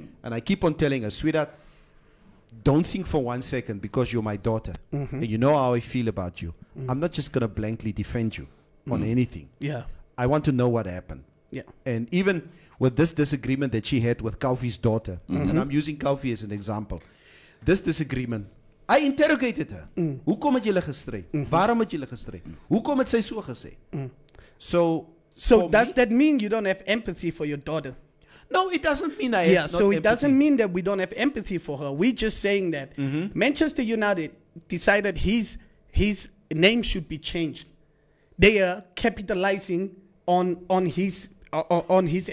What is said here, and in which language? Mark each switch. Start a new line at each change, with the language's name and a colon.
English: And I keep on telling her, sweetheart, don't think for one second, because you're my daughter and you know how I feel about you. I'm not just going to blankly defend you on anything. Yeah. I want to know what happened. Yeah. And even with this disagreement that she had with Kaufi's daughter, and I'm using Kaufi as an example, this disagreement, I interrogated her.
Afrikaans: Hoekom het julle gestry? Waarom het julle gestry? Hoekom het sy so gesê? So
English: does that mean you don't have empathy for your daughter? No, it doesn't mean I have empathy. Yeah, so it doesn't mean that we don't have empathy for her. We're just saying that Manchester United decided his name should be changed. They are capitalizing on his expense.